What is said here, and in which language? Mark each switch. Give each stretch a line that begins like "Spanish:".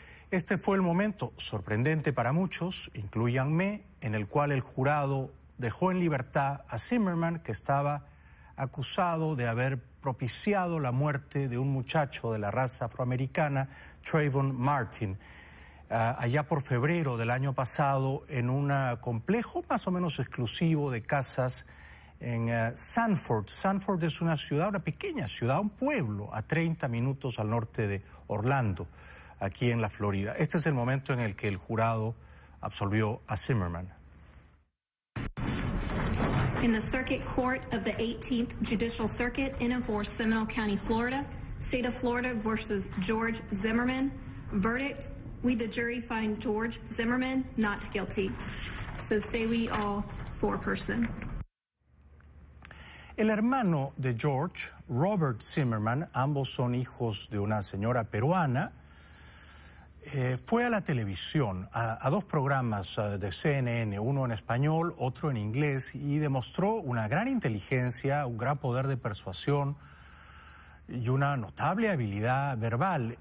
Spanish: Este fue el momento, sorprendente para muchos, incluyanme, en el cual el jurado dejó en libertad a Zimmerman, que estaba acusado de haber propiciado la muerte de un muchacho de la raza afroamericana, Trayvon Martin, allá por febrero del año pasado en un complejo más o menos exclusivo de casas en Sanford. Sanford es una ciudad, una pequeña ciudad, un pueblo a 30 minutos al norte de Orlando, aquí en la Florida. Este es el momento en el que el jurado absolvió a Zimmerman.
English: In the Circuit Court of the 18th Judicial Circuit in and for Seminole County, Florida, State of Florida versus George Zimmerman. Verdict, we the jury find George Zimmerman not guilty. So say we all, four person.
Spanish: El hermano de George, Robert Zimmerman, ambos son hijos de una señora peruana, fue a la televisión, a dos programas de CNN, uno en español, otro en inglés, y demostró una gran inteligencia, un gran poder de persuasión y una notable habilidad verbal.